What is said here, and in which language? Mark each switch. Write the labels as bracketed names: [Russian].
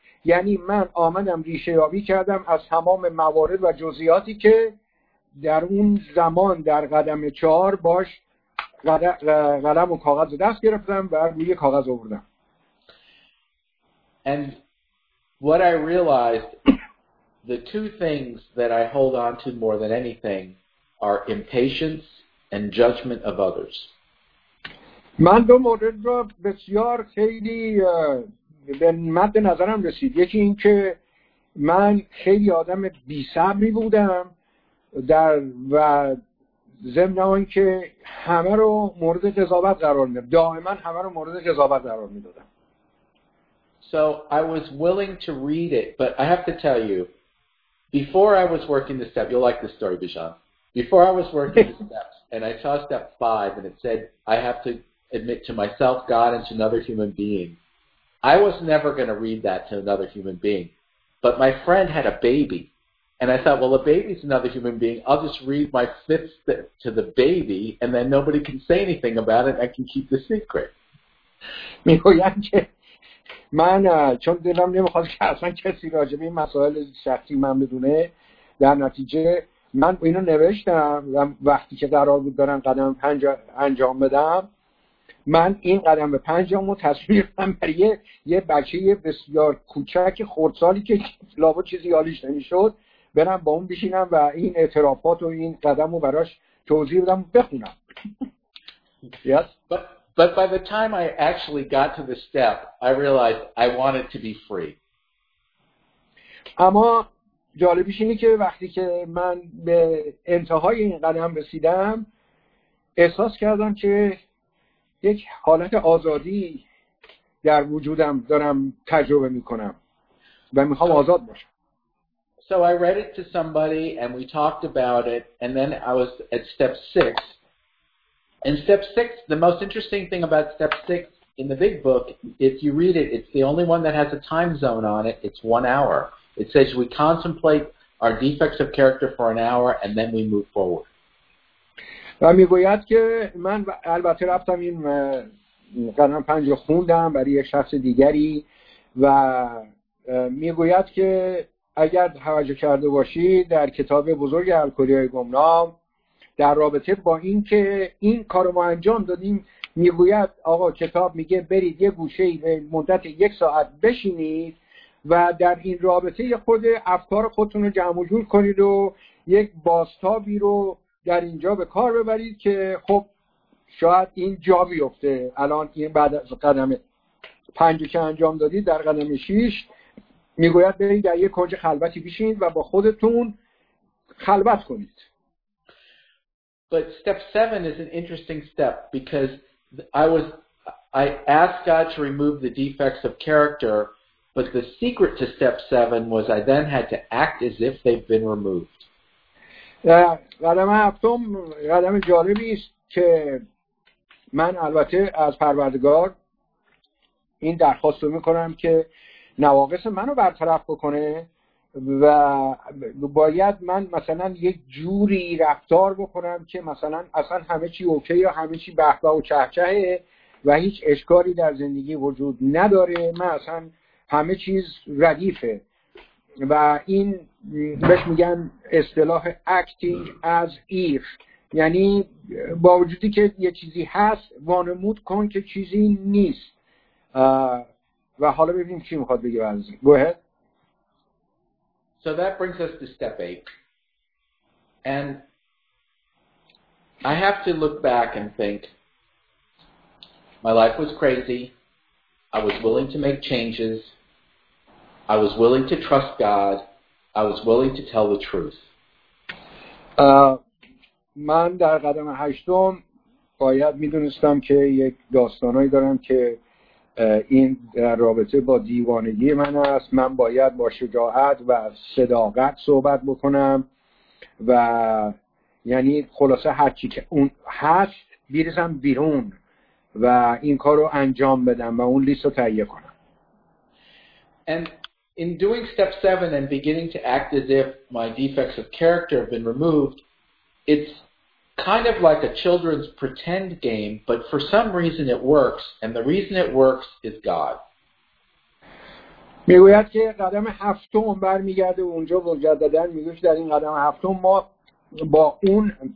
[Persian] یعنی من آمدم ریشه یابی کردم از تمام موارد و جزئیاتی که در اون زمان در قدم چهار باش قلم و کاغذ دست گرفتم و روی کاغذ آوردم. [English] And what I realized, the two things that I hold on to more than anything are impatience and judgment of others. [Persian] من دو مورد را بسیار خیلی به مد نظرم رسید. یکی این که من خیلی آدم بی‌صبری بودم در و ضمن آن که همه رو مورد قضاوت قرار می‌دادم. دائما همه رو مورد قضاوت قرار می‌دادم. [English] So I was willing to read it, but I have to tell you, before I was working the steps, you'll like this story, Bijan. Before I was working the steps, and I saw step five, and it said, I have to admit to myself, God, and to another human being. I was never going to read that to another human being. But my friend had a baby, And I thought, well, a baby's another human being. I'll just read my fifth to the baby, and then nobody can say anything about it. I can keep the secret. [Persian] میگویند که من چون دلم نمیخواست که اصلا کسی راجع به این مسائل شخصی من بدونه، در نتیجه من اینو نوشتم و وقتی که قرار بود دارم قدم پنج انجام بدم، من این قدم به پنجمو تصویرم برای یه بچه بسیار کوچک خردسالی که لابد چیزی حالیش نمیشد، برم با اون بشینم و این اعترافات و این قدم رو براش توضیح بدم بخونم. [English] Yes. But by the time I actually got to the step, I realized I wanted to be free. [Persian] اما جالبیش اینه که وقتی که من به انتهای این قدم رسیدم، احساس کردم که یک حالت آزادی در وجودم دارم تجربه میکنم و میخوام آزاد باشم. [English] So I read it to somebody and we talked about it, and then I was at step six. And step six, the most interesting thing about step six in the big book, if you read it, it's the only one that has a time zone on it. It's 1 hour. It says we contemplate our defects of character for an hour and then we move forward. [Persian] و می گوید که من البته رفتم این قدم پنج رو خوندم برای یک شخص دیگری و می گوید که اگر توجه کرده باشید در کتاب بزرگ الکلی‌های گمنام در رابطه با این که این کار رو ما انجام دادیم میگوید آقا کتاب میگه برید یه گوشه به مدت یک ساعت بشینید و در این رابطه خود افکار خودتون رو جمع و جور کنید و یک بازتابی رو در اینجا به کار ببرید که خب شاید این جا بیفته. الان این بعد از قدم پنجی که انجام دادید در قدم شیش میگوید برید در یک کنج خلوتی بشینید و با خودتون خلوت کنید. [English] But step seven is an interesting step because I asked God to remove the defects of character, but the secret to step seven was I then had to act as if they've been removed. [Persian] قدم هفتم قدم جالبی است که من البته از پروردگار این درخواست رو میکنم که نواقص منو برطرف بکنه و باید من مثلا یک جوری رفتار بکنم که مثلا اصلا همه چی اوکی یا همه چی بهبه و چهچهه و هیچ اشکالی در زندگی وجود نداره، من اصلا همه چیز ردیفه و این بهش میگن اصطلاح [English] acting as if، [Persian] یعنی با وجودی که یه چیزی هست وانمود کن که چیزی نیست و حالا ببینیم چی میخواد بگه بازی. [English] Go ahead. So that brings us to step eight. And I have to look back and think, my life was crazy. I was willing to make changes. I was willing to trust God. I was willing to tell the truth. [Persian] من در قدم هشتم باید میدونستم که یک داستانی دارم که این در رابطه با دیوانگی من است. من باید با شجاعت و صداقت صحبت بکنم و یعنی خلاصه هرچی که اون هست بریزم بیرون و این کار رو انجام بدم و اون لیست رو تهیه کنم. [English] And in doing step 7 and beginning to act as if my defects of character have been removed, it's kind of like a children's pretend game, but for some reason it works, and the reason it works is God. [Persian] میگوید که قدم هفتم برمیگرده اونجا مجددا، میگه که در این قدم هفتم ما با اون